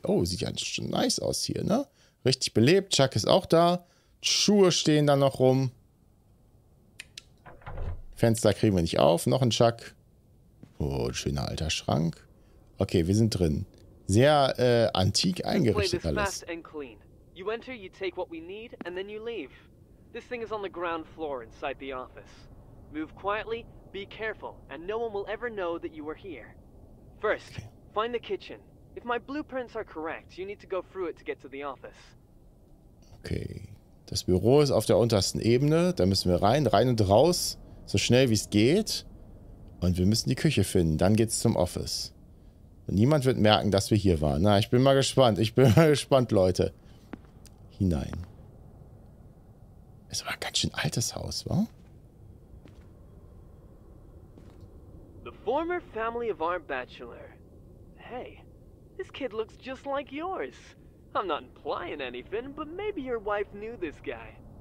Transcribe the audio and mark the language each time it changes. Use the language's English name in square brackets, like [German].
[German] Oh, sieht ja schon nice aus hier, ne? Richtig belebt. Chuck ist auch da. Schuhe stehen da noch rum. Fenster kriegen wir nicht auf. Noch ein Chuck. Oh, ein schöner alter Schrank. Okay, wir sind drin. Sehr antik eingerichtet alles. [English] You enter, you take what we need and then you leave. This thing is on the ground floor inside the office. Move quietly, be careful and no one will ever know that you were here. First, find the kitchen. If my blueprints are correct, you need to go through it to get to the office. Okay. [German] Das Büro ist auf der untersten Ebene, da müssen wir rein, rein und raus, so schnell wie es geht und wir müssen die Küche finden, dann geht's zum Office. Und niemand wird merken, dass wir hier waren. Na, ich bin mal gespannt. Ich bin mal gespannt, Leute. Hinein. Es war ein ganz schön altes Haus, wa? [English] The former family of our bachelor. Hey, this kid looks just like yours. I'm not implying anything, but maybe your wife knew this guy.